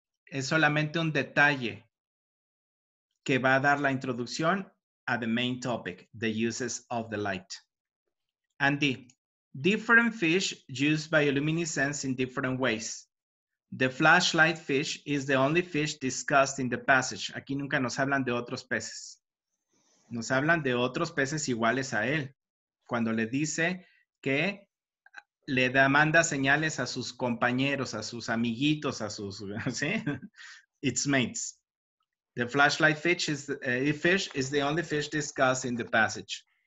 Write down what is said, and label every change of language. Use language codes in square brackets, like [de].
[es] Es solamente un detalle que va a dar la introducción [en] at the main topic, the uses of the light. And D, different fish use bioluminescence in different ways. The flashlight fish is the only fish discussed in the passage. [es] Aquí nunca nos hablan de otros peces. Nos hablan de otros peces iguales a él. Cuando le dice que le da, manda señales a sus compañeros, a sus amiguitos, a sus, ¿sí? [en] Its mates. The flashlight fish is the only fish discussed in the passage.